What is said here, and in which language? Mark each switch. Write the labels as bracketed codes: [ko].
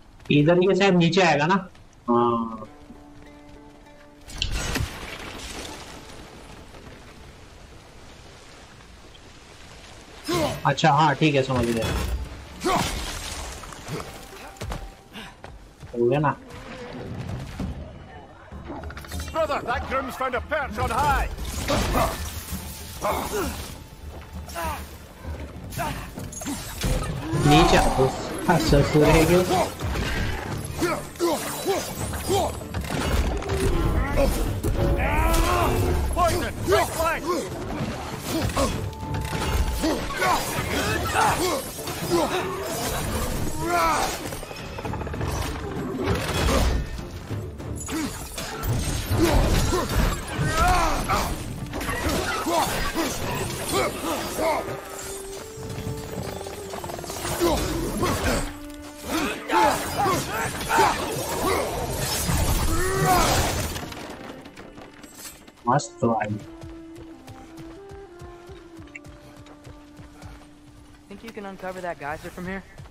[hi] इधर ये शायद नीचे आएगा ना हाँ अच्छा हाँ ठीक है समझ गया हो गया ना [en] Brother, that grim's found a perch on high. [hi] नीचे अच्छा सुरेगे [en] Must fly. Think you can uncover that geyser from here?